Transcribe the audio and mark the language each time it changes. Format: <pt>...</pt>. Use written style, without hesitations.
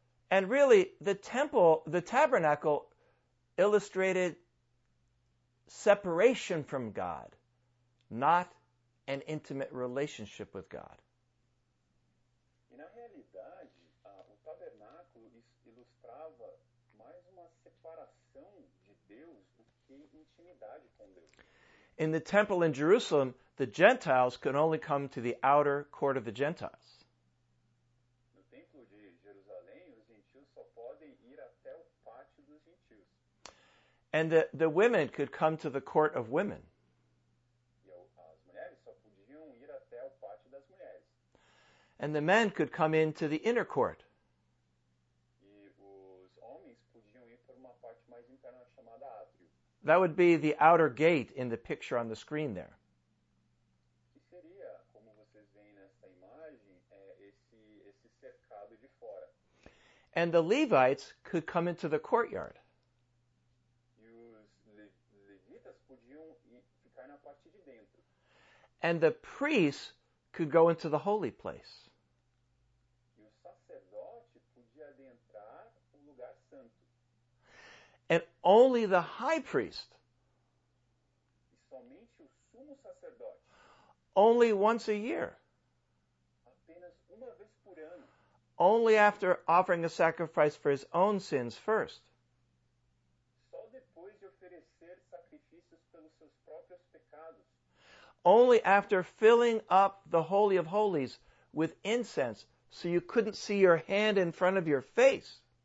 <en>And really, the temple, the tabernacle, illustrated separation from God, not an intimate relationship with God.</en> <pt>E na realidade, o tabernáculo ilustrava mais uma separação de Deus do que intimidade com Deus.</pt> <en>In the temple in Jerusalem, the Gentiles could only come to the outer court of the Gentiles.</en> <pt>No templo de Jerusalém, os gentios só podem ir até o pátio dos gentios.</pt> <en>And the women could come to the court of women.</en> <pt>E as mulheres só podiam ir até o pátio das mulheres.</pt> <en>And the men could come into the inner court.</en> <pt>E os homens podiam ir por uma parte mais interna chamada átrio.</pt> <en>That would be the outer gate in the picture on the screen there.</en> <pt>Que seria, como vocês veem nessa imagem, esse cercado de fora.</pt> <en>And the Levites could come into the courtyard.</en> <pt>E os levitas podiam ficar na parte de dentro.</pt> <en>And the priests could go into the holy place.</en> <pt>E o sacerdote podia adentrar o lugar santo.</pt> <en>And only the high priest,</en> <pt>e somente o sumo sacerdote,</pt> <en>only once a year,</en> <pt>apenas uma vez por ano,</pt> <en>only after offering a sacrifice for his own sins first,</en> <pt>só depois de oferecer sacrifícios pelos seus próprios pecados,</pt> <en>only after filling up the Holy of Holies with incense so you couldn't see your hand in front of your face.</en>